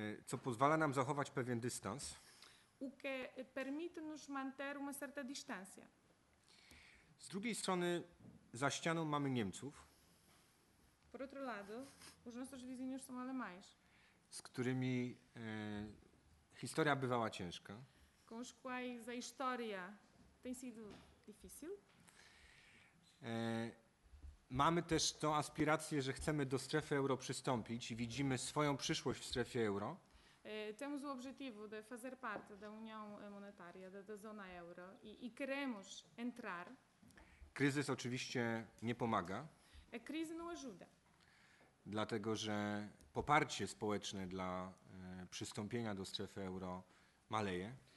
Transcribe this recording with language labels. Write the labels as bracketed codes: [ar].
[pl] Co pozwala nam zachować pewien dystans. [pt] O que permite-nos manter uma certa distância. [pl] Z drugiej strony za ścianą mamy Niemców. [pt] Por outro lado, os nossos vizinhos são alemães. [pl] Z którymi historia bywała ciężka. [pt] Com os quais a história tem sido difícil. [pl] Mamy też tą aspirację, że chcemy do strefy euro przystąpić i widzimy swoją przyszłość w strefie euro. [pt] Temos o objetivo de fazer parte da União Monetária, da Zona Euro i queremos entrar. [pl] Kryzys oczywiście nie pomaga. [pt] A crise não ajuda. [pl] Dlatego, że poparcie społeczne dla przystąpienia do strefy euro maleje.